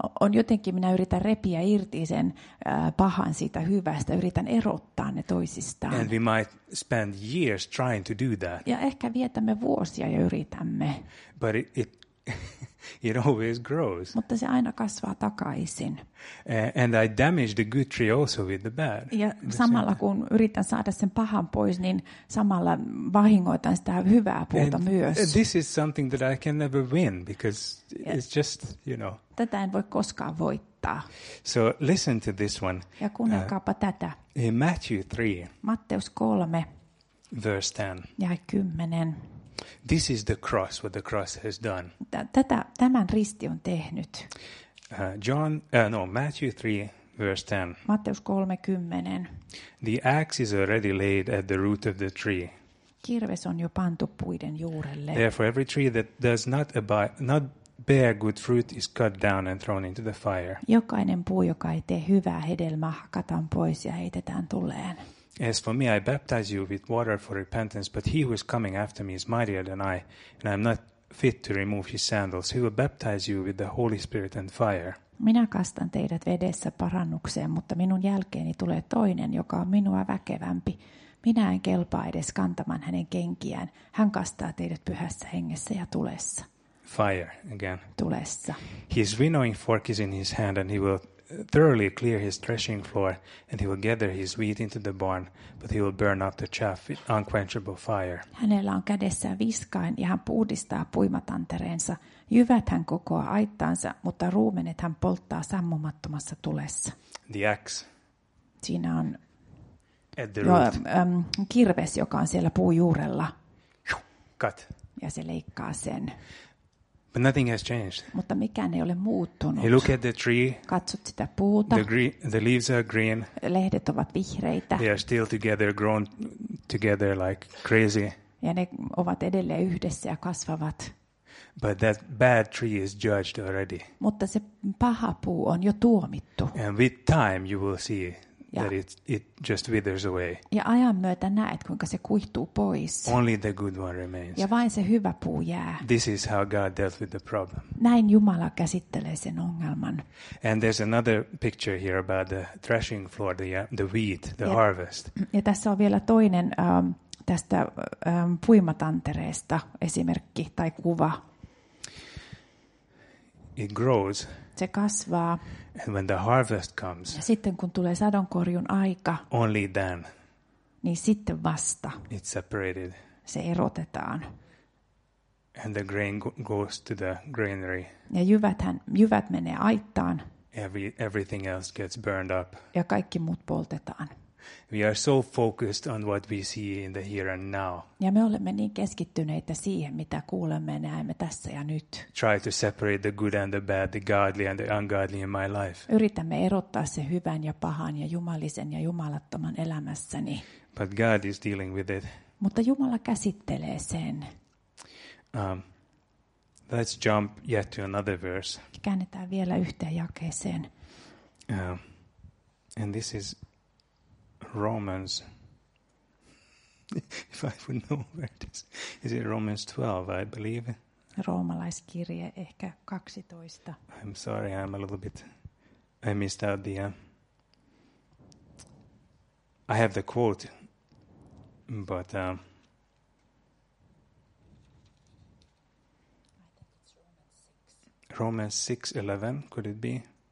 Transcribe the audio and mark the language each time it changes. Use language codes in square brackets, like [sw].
[fi] On jotenkin minä yritän repiä irti sen pahan siitä hyvästä, yritän erottaa ne toisistaan. [en] And we might spend years trying to do that. [fi] Ja ehkä vietämme vuosia ja yritämme. [en] But it always grows. [fi] Mutta se aina kasvaa takaisin. [en] And I damage the good tree also with the bad. [fi] Ja samalla kun yritän saada sen pahan pois, niin samalla vahingoitan sitä hyvää puuta [en] and [fi] myös. [en] This is something that I can never win because it's just, you know. [fi] Tätä en voi koskaan voittaa. [en] So listen to this one. [fi] Ja kuunnelkaapa tätä. [en] In Matthew 3. [fi] Matteus 3. [en] Verse 10. [fi] Jae 10. [en] This is the cross, what the cross has done. [fi] Tämän risti on tehnyt. [en] Matthew 3, verse 10. [fi] Matteus 3:10. [en] The axe is already laid at the root of the tree. [fi] Kirves on jo pantu puiden juurelle. [en] Therefore every tree that does not bear good fruit is cut down and thrown into the fire. [fi] Jokainen puu, joka ei tee hyvää hedelmää, hakataan pois ja heitetään tuleen. [en] As for me, I baptize you with water for repentance, but he who is coming after me is mightier than I, and I am not fit to remove his sandals. He will baptize you with the Holy Spirit and fire. [fi] Minä kastan teidät vedessä parannukseen, mutta minun jälkeeni tulee toinen, joka on minua väkevämpi. Minä en kelpaa edes kantamaan hänen kenkiään. Hän kastaa teidät pyhässä hengessä ja tulessa. [en] Fire again. [fi] Tulessa. [en] His winnowing fork is in his hand, and he will thoroughly clear his threshing floor, and he will gather his wheat into the barn, but he will burn up the chaff with unquenchable fire. [fi] Hänellä on kädessään viskain, ja hän puhdistaa puimatantereensa. Jyvät hän kokoaa aittaansa, mutta ruumenet hän polttaa sammumattomassa tulessa. [en] The axe. [fi] Siinä on [en] at the root. [fi] Kirves, joka on siellä puujuurella. [en] Cut. [fi] Ja se leikkaa sen. [en] But nothing has changed. [fi] Mutta mikään ei ole muuttunut. [en] You look at the tree. [fi] Katsot sitä puuta. [en] The leaves are green. [fi] Lehdet ovat vihreitä. [en] They are still together, grown together like crazy. [fi] Ja ne ovat edelleen yhdessä ja kasvavat. [en] But that bad tree is judged already. [fi] Mutta se paha puu on jo tuomittu. [en] And with time you will see that it just withers away. [fi] Ja ajan myötä näet, kuinka se kuihtuu pois. [en] Only the good one remains. [fi] Ja vain se hyvä puu jää. [en] This is how God dealt with the problem. [fi] Näin Jumala käsittelee sen ongelman. [en] And there's another picture here about the threshing floor, the wheat, the harvest. [fi] Ja tässä on vielä toinen tästä puimatantereesta esimerkki tai kuva. [en] It grows. [fi] Se kasvaa. [en] And when the harvest comes. [fi] Ja sitten kun tulee sadonkorjun aika. [en] Only then. [fi] Niin sitten vasta. [en] It's separated. [fi] Se erotetaan. [en] And the grain goes to the granary. [fi] Ja jyvät menee aittaan. [en] Everything else gets burned up. [fi] Ja kaikki muut poltetaan. [en] We are so focused on what we see in the here and now. [fi] Ja me olemme niin keskittyneitä siihen, mitä kuulemme ja näemme tässä ja nyt. [en] Try to separate the good and the bad, the godly and the ungodly in my life. [fi] Yritämme erottaa sen hyvän ja pahan ja jumalisen ja jumalattoman elämässäni. [en] But God is dealing with it. [fi] Mutta Jumala käsittelee sen. [en] Let's jump yet to another verse. [fi] Käännetään vielä yhteen jakeeseen. [en] And this is Romans, if I would know where it is it Romans 12, I believe? [fi] Roomalaiskirje, ehkä 12. [en] I'm sorry, I'm a little bit, I missed out the, I have the quote, but, Romans 6:11, could it be?